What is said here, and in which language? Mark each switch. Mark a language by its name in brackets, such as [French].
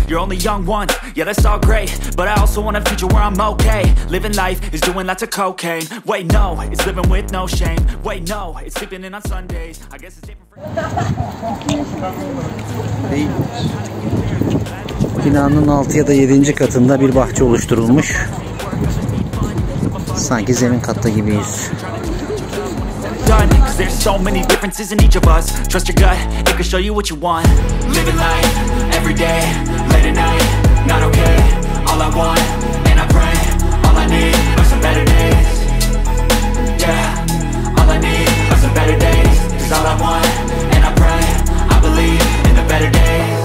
[English] You're only young once, yeah that's all great. But I also want a future where I'm okay. Living life is doing lots of cocaine. Wait no, it's living with no shame. Wait no, it's sleeping in on Sundays. I guess it's different for... [Turkish] Binanın 6 ya da 7. katında bir bahçe oluşturulmuş. Sanki zemin katta gibiyiz. [English] Cause there's so many differences in each of us. Trust your gut, it can show you what you want. Living life, every day, late at night, not okay. All I want, and I pray, all I need are some better days. Yeah, all I need are some better days. Cause all I want, and I pray, I believe in a better day.